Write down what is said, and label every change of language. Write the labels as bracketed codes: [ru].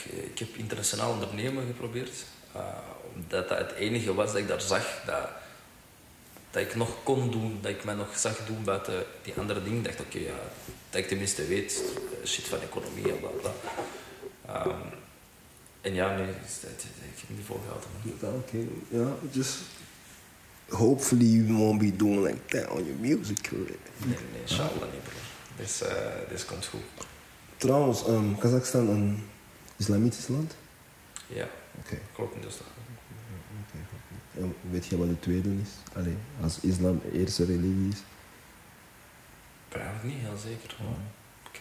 [nl] Ik heb internationaal ondernemen geprobeerd. Omdat dat het enige was dat ik daar zag... Dat ik nog kon doen, dat ik mij nog zag doen buiten die andere dingen. Dacht, oké, ja, dat ik tenminste weet, shit van economie en bla bla. En ja, nee, ik heb niet volgehouden. [en] Ja, just hopefully you won't be doing like that on your music career. [nl] Nee, inshallah niet, bro. Dit komt goed. Trouwens, Kazachstan een islamitisch land? Ja, [en] okay. [nl] Klopt in Duitsland. En weet je wat de tweede is? Allee, als islam eerste religie is? Ik ben eigenlijk niet heel zeker. Ja. Ik